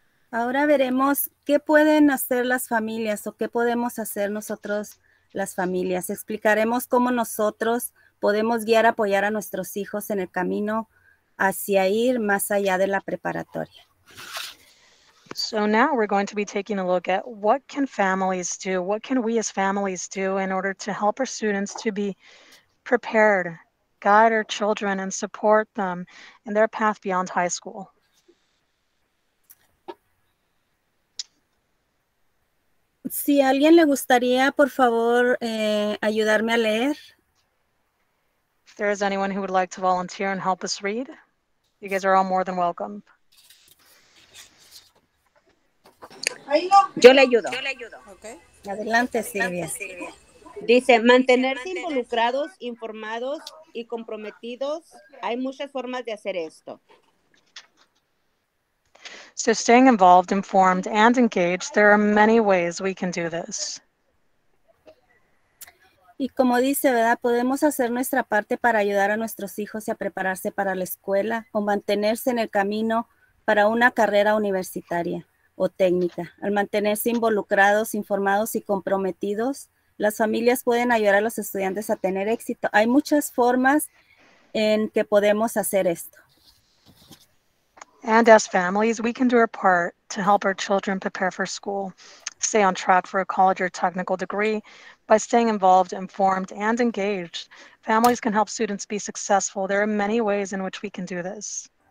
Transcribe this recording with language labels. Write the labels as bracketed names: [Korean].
[Spanish] Ahora veremos qué pueden hacer las familias o qué podemos hacer nosotros las familias. Explicaremos cómo nosotros podemos guiar, apoyar a nuestros hijos en el camino hacia ir más allá de la preparatoria. [English] So now we're going to be taking a look at what can families do, what can we as families do in order to help our students to be prepared, guide our children and support them in their path beyond high school. [Spanish] Si alguien le gustaría, por favor, ayudarme a leer. [English] If there is anyone who would like to volunteer and help us read, you guys are all more than welcome. [Spanish] Yo le ayudo. Okay. Adelante, Silvia. Dice, mantenerse involucrados, informados y comprometidos. Hay muchas formas de hacer esto. [English] So staying involved, informed, and engaged, there are many ways we can do this. [Spanish] Y como dice, ¿verdad? Podemos hacer nuestra parte para ayudar a nuestros hijos a prepararse para la escuela o mantenerse en el camino para una carrera universitaria o técnica. Al mantenerse involucrados, informados y comprometidos, las familias pueden ayudar a los estudiantes a tener éxito. Hay muchas formas en que podemos hacer esto. [English] And as families, we can do our part to help our children prepare for school, stay on track for a college or technical degree. By staying involved, informed, and engaged, families can help students be successful. There are many ways in which we can do this.